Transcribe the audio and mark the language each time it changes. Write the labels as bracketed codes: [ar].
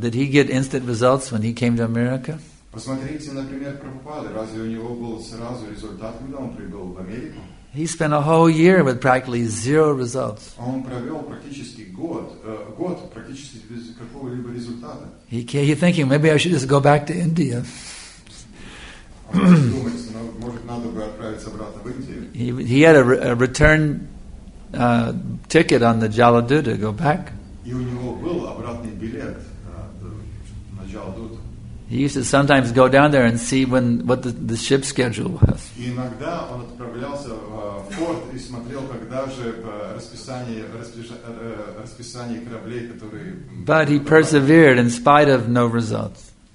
[en] Did he get instant results when he came to America? [ru] Посмотрите, например, Прабхупады. Разве у него был сразу результат, когда он прибыл в Америку? [en] He spent a whole year with practically zero results. [ru] Он провел практически год практически без какого-либо результата. [en] He's thinking, maybe I should just go back to India. [ru] Может, надо бы отправиться обратно в Индию. [en] He had a return ticket on the Jaladu to go back. [ru] И у него был обратный билет на Jaladu. [en] He used to sometimes go down there and see what the ship schedule was. [ru] Иногда он отправлялся в порт и смотрел, когда же расписание кораблей, которые. [en] But he persevered in spite of no results.